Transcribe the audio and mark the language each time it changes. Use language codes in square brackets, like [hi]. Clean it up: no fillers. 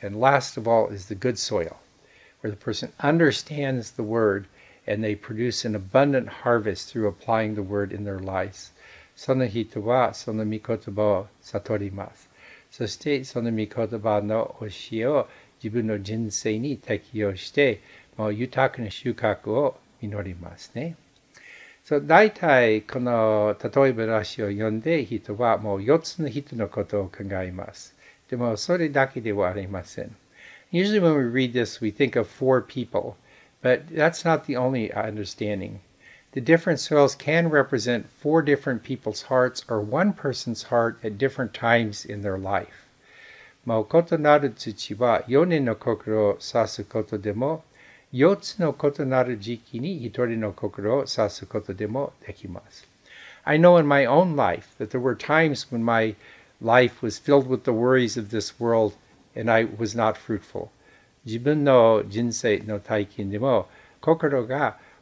[en] And last of all is the good soil, where the person understands the word and they produce an abundant harvest through applying the word in their lives. [ja] その人はその御言葉を悟ります。そしてその御言葉の教えを自分の人生に適用して、もう豊かな収穫を実りますね。 So, 大体この例え話を読んで人はもう4つの人のことを考えます。でもそれだけではありません。 [en] Usually when we read this, we think of four people, but that's not the only understanding. The different soils can represent four different people's hearts or one person's heart at different times in their life. [ja] もう異なる土は4人の心を指すことでも四つの異なる時期に一人の心を指すことでもできます。 [en] I know in my own life that there were times when my life was filled with the worries of this world and I was not fruitful. [ja] 自分の人生の体験でも心が